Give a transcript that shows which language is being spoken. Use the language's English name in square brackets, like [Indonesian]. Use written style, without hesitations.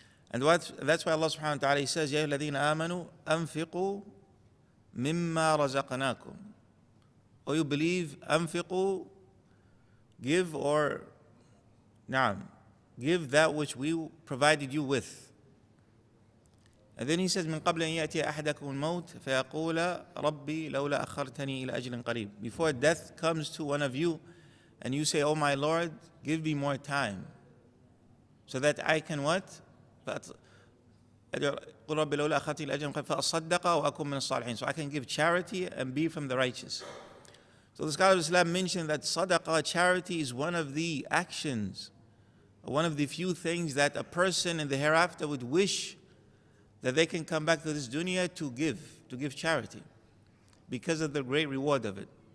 [English] And that's why Allah subhanahu wa ta'ala says, [Arabic] يَا الَّذِينَ آمَنُوا أَنْفِقُوا مِمَّا رَزَقْنَاكُمْ. [English] Or you believe, أَنْفِقُوا, give or, نعم, give that which we provided you with. And then he says, [Arabic] مِنْ قَبْلَ أَنْ يَأْتِيَ أَحَدَكُمُ الْمَوْتِ فَيَقُولَ رَبِّي لَوْلَا أَخَّرْتَنِي إِلَى أَجْلٍ قَرِيبٍ. [English] Before death comes to one of you, and you say, oh my Lord, give me more time, so that I can what? [Arabic] قُلْ رَبِّي لَوْلَا أَخَّرْتَنِي إِلَى أَجْلٍ قَرِيبٍ فَأَصَّدَّقَ وَأَكُمْ مِنَ الصَّالِحِينَ. [English] So I can give charity and be from the righteous. So the scholar of Islam mentioned that sadaqah, charity, is one of the actions, one of the few things that a person in the hereafter would wish that they can come back to this dunya to give charity, because of the great reward of it.